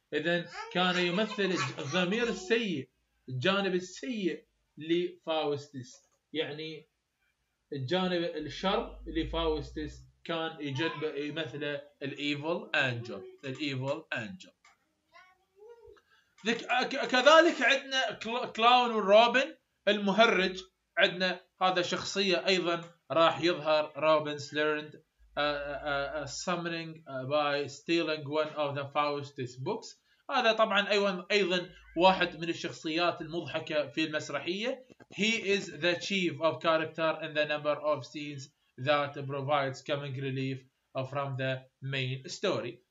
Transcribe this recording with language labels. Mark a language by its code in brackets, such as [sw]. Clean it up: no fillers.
[ar] اذا كان يمثل الضمير السيء، الجانب السيء لفاوستس، يعني الجانب الشر لفاوستس كان يجذب مثله الايفل انجل. كذلك عندنا كلاون وروبن المهرج، عندنا هذا شخصية ايضا راح يظهر. [en] Robin's learned summoning by stealing one of the Faustus books. [ar] هذا طبعا ايضا واحد من الشخصيات المضحكة في المسرحية. [en] He is the chief of character in the number of scenes that provides comic relief from the main story.